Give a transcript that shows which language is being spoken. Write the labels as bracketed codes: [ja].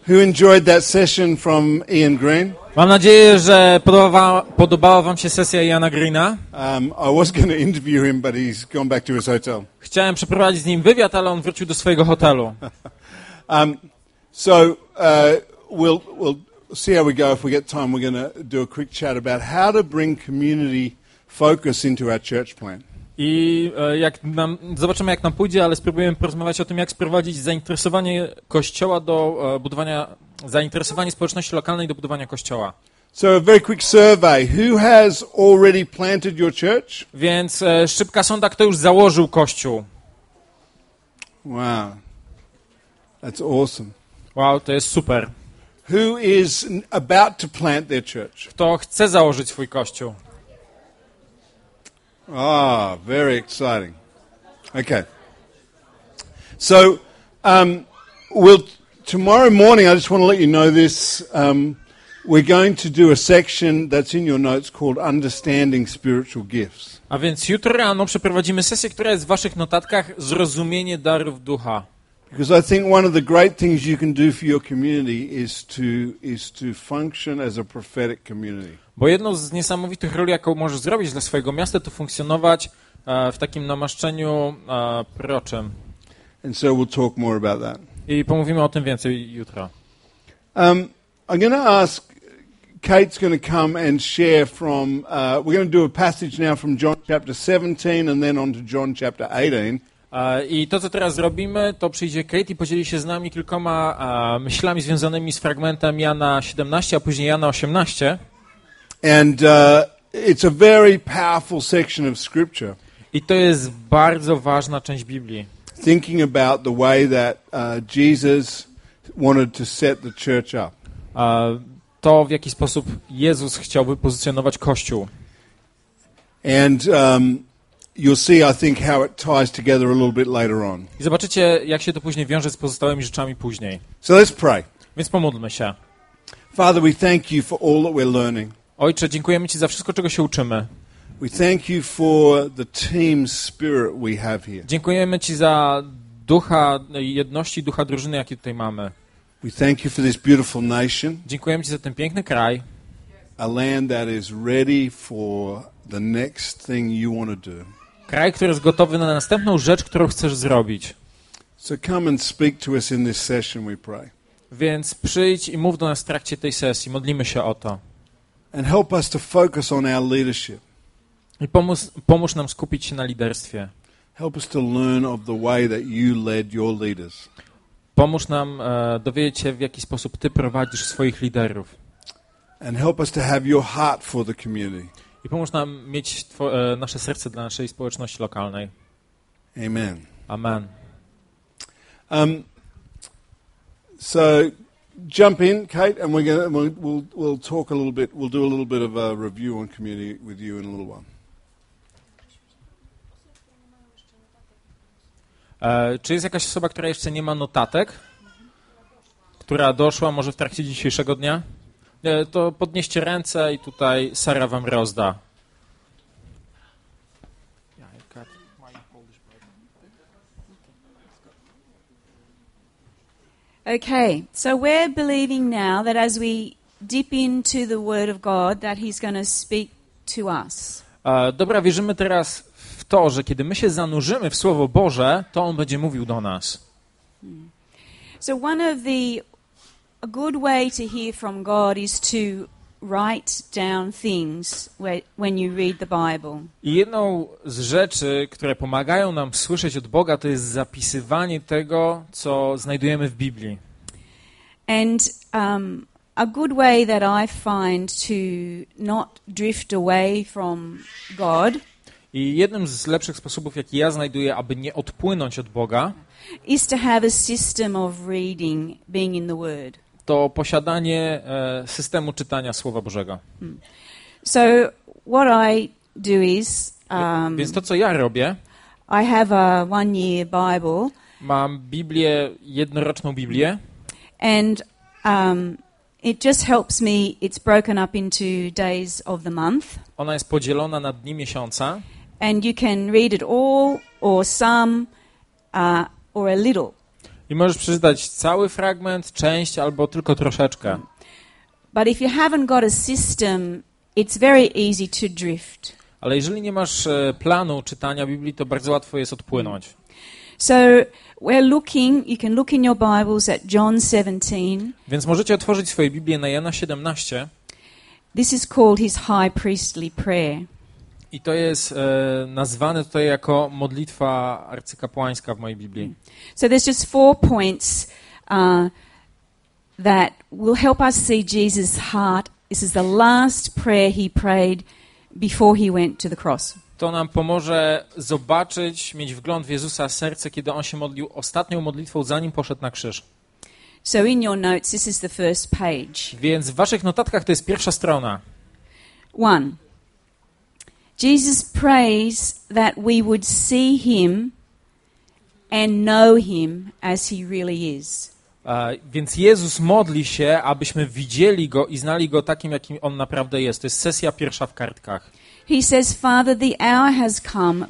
[en] Who enjoyed that session from Ian Green? [pl] Mam nadzieję, że podobała wam się sesja Iana Greena. [en] I was going to interview him, but he's gone back to his hotel. [pl] Chciałem przeprowadzić z nim wywiad, ale on wrócił do swojego hotelu. [en] So we'll see how we go. If we get time, we're going to do a quick chat about how to bring community focus into our church plan. [pl] I jak nam, zobaczymy, jak nam pójdzie, ale spróbujemy porozmawiać o tym, jak sprowadzić zainteresowanie kościoła do budowania, zainteresowanie społeczności lokalnej do budowania kościoła. [en] So a very quick survey. Who has already planted your church? [pl] Więc szybka sonda, kto już założył kościół? [en] Wow. That's awesome. [pl] Wow, to jest super. [en] Who is about to plant their church? [pl] Kto chce założyć swój kościół? [en] Ah, oh, very exciting. Okay. So, tomorrow morning, I just want to let you know this, we're going to do a section that's in your notes called Understanding Spiritual Gifts. [pl] A więc jutro rano przeprowadzimy sesję, która jest w waszych notatkach, Zrozumienie darów ducha. [en] Because I think one of the great things you can do for your community is to function as a prophetic community. [pl] Bo jedną z niesamowitych ról, jaką możesz zrobić dla swojego miasta, to funkcjonować w takim namaszczeniu proroczym. [en] And so we'll talk more about that. [pl] I pomówimy o tym więcej jutro. [en] I'm going to ask, Kate's going to come and share from, we're going to do a passage now from John chapter 17 and then on to John chapter 18. [pl] I to, co teraz zrobimy, to przyjdzie Kate i podzieli się z nami kilkoma myślami związanymi z fragmentem Jana 17, a później Jana 18. [en] And it's a very powerful section of scripture. [pl] I to jest bardzo ważna część Biblii. [en] Thinking about the way that Jesus wanted to set the church up. [pl] To w jaki sposób Jezus chciałby pozycjonować kościół. [en] And you'll see, I think, how it ties together a little bit later on. [pl] I zobaczycie, jak się to później wiąże z pozostałymi rzeczami później. [en] So let's pray. [pl] Więc pomódlmy się. [en] Father, we thank you for all that we're learning. [pl] Ojcze, dziękujemy Ci za wszystko, czego się uczymy. [en] We thank you for the team spirit we have here. [pl] Dziękujemy Ci za ducha jedności, ducha drużyny, jaki tutaj mamy. [en] We thank you for this beautiful nation. [pl] Dziękujemy Ci za ten piękny kraj. [en] A land that is ready for the next thing you want to do. [pl] Kraj, który jest gotowy na następną rzecz, którą chcesz zrobić. [en] So come and speak to us in this session, we pray. [pl] Więc przyjdź i mów do nas w trakcie tej sesji. Modlimy się o to. [en] And help us to focus on our leadership. [pl] I pomóż nam skupić się na liderstwie. [en] Help us to learn of the way that you led your leaders. [pl] Pomóż nam dowiedzieć się, w jaki sposób ty prowadzisz swoich liderów. [en] And help us to have your heart for the community. [pl] I pomóż nam mieć nasze serce dla naszej społeczności lokalnej. Amen. Amen. [en] So jump in, Kate, and we'll talk a little bit. We'll do a little bit of a review on community with you in a little while. [pl] Czy jest jakaś osoba, która jeszcze nie ma notatek, która doszła może w trakcie dzisiejszego dnia? To podnieście ręce i tutaj Sara wam rozda. [en] Okay, so we're believing now that as we dip into the Word of God, that He's going to speak to us. [pl] Dobra, wierzymy teraz w to, że kiedy my się zanurzymy w Słowo Boże, to On będzie mówił do nas. [en] So one of the a good way to hear from God is to write down things when you read the Bible. [pl] I jedną z rzeczy, które pomagają nam słyszeć od Boga, to jest zapisywanie tego, co znajdujemy w Biblii. [en] And a good way that I find to not drift away from God. [pl] I jednym z lepszych sposobów, jaki ja znajduję, aby nie odpłynąć od Boga, [en] is to have a system of reading, being in the Word. [pl] To posiadanie systemu czytania Słowa Bożego. [en] So what I do is, [pl] więc to, co ja robię, [en] I have a one-year Bible, [pl] mam Biblię, jednoroczną Biblię, [en] and it just helps me, it's broken up into days of the month. [pl] Ona jest podzielona na dni miesiąca. [en] And you can read it all, or some, or a little. [pl] I możesz przeczytać cały fragment, część albo tylko troszeczkę. [en] But if you haven't got a system, it's very easy to drift. [pl] Ale jeżeli nie masz planu czytania Biblii, to bardzo łatwo jest odpłynąć. [en] So we're looking, you can look in your Bibles at John 17. [pl] Więc możecie otworzyć swoje Biblię na Jana 17. [en] This is called his high priestly prayer. [pl] I to jest nazwane tutaj jako modlitwa arcykapłańska w mojej Biblii. [en] So there's just four points that will help us see Jesus' heart. This is the last prayer he prayed before he went to the cross. [pl] To nam pomoże zobaczyć, mieć wgląd w Jezusa serce, kiedy on się modlił ostatnią modlitwą, zanim poszedł na krzyż. [en] So in your notes, this is the first page. [pl] Więc w waszych notatkach to jest pierwsza strona. [en] One. Jesus prays that we would see him and know him as he really is. [pl] Więc Jezus modli się, abyśmy widzieli go i znali go takim, jakim on naprawdę jest. To jest sesja pierwsza w kartkach. [en] He says, Father, the hour has come.